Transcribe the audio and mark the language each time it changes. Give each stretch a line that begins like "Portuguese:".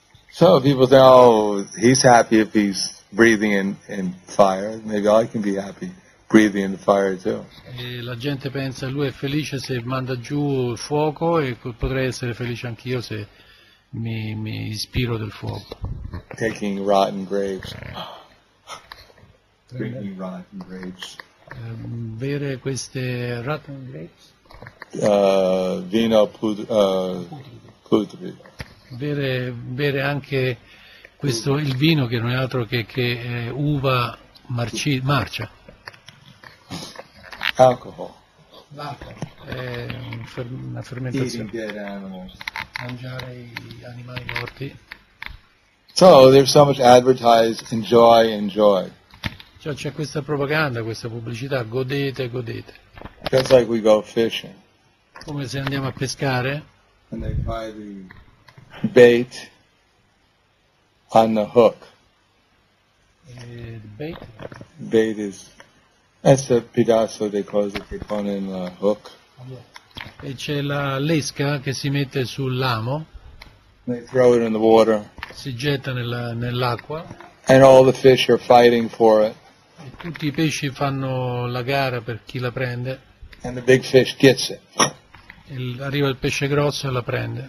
English: So people say, oh, he's happy if he's breathing in fire. Maybe I can be happy breathing in the fire too.
Italian: E la gente pensa, lui è felice se manda giù il fuoco e potrei essere felice anch'io se mi ispiro del fuoco.
English: Taking rotten grapes. Drinking rotten grapes.
Italian: Bere queste
English: rotten grapes.
Italian: Vino putrido. Bere anche questo, il vino che non è altro che è uva marcia.
English: Alcohol.
Italian: L'alcol. È una fermentazione. Mangiare gli animali morti.
English: So, there's so much advertised, enjoy, enjoy.
Italian: Cioè c'è questa propaganda, questa pubblicità, godete, godete.
English: Just like we go fishing.
Italian: Come se andiamo a pescare.
English: And they buy the bait on the hook. Bait? Bait is, that's a
Spanish: pedazo de cosa che pone in la
English: hook.
Italian: e c'è la l'esca che si mette sull'amo.
English: They throw it in the water.
Italian: Si getta nell'acqua.
English: And all the fish are fighting for it.
Italian: E tutti i pesci fanno la gara per chi la prende.
English: And the big fish gets it.
Italian: Arriva il pesce grosso e la prende.